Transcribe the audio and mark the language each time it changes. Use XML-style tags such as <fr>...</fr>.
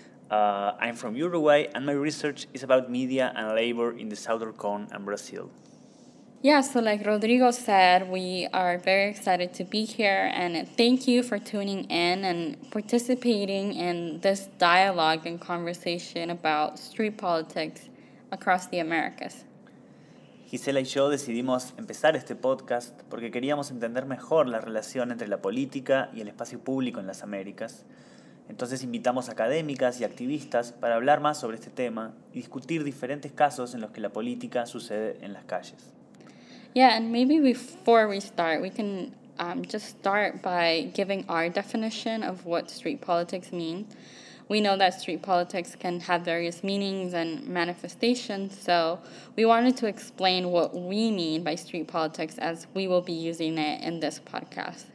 <en>I'm from Uruguay, and my research is about media and labor in the Southern Cone and Brazil. Yeah, so like Rodrigo said, we are very excited to be here, and thank you for tuning in and participating in this dialogue and conversation about street politics across the Americas.</en> <es>Gisela y yo decidimos empezar este podcast porque queríamos entender mejor la relación entre la política y el espacio público en las Américas. Entonces invitamos a académicas y activistas para hablar más sobre este tema y discutir diferentes casos en los que la política sucede en las calles.</es> <en>Yeah, and maybe before we start, we can just start by giving our definition of what street politics means. We know that street politics can have various meanings and manifestations, so we wanted to explain what we mean by street politics as we will be using it in this podcast.</en>